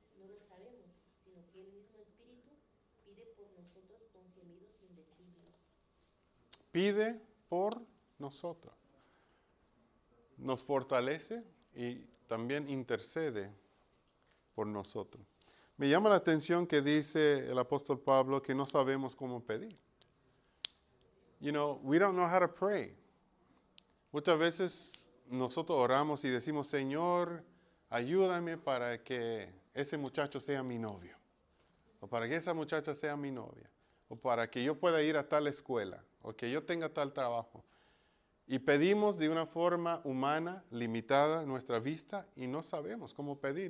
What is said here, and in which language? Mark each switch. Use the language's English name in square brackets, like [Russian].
[Spanish] No lo sabemos, sino que el mismo Espíritu pide por nosotros con gemidos indecibles. Pide por nosotros. Nos fortalece y también intercede por nosotros. Me llama la atención que dice el apóstol Pablo que no sabemos cómo pedir. [English] You know, we don't know how to pray. [Spanish] Muchas veces nosotros oramos y decimos, Señor, ayúdame para que ese muchacho sea mi novio, o para que esa muchacha sea mi novia, o para que yo pueda ir a tal escuela, o que yo tenga tal trabajo. Y pedimos de una forma humana, limitada, nuestra vista, y no sabemos cómo pedir.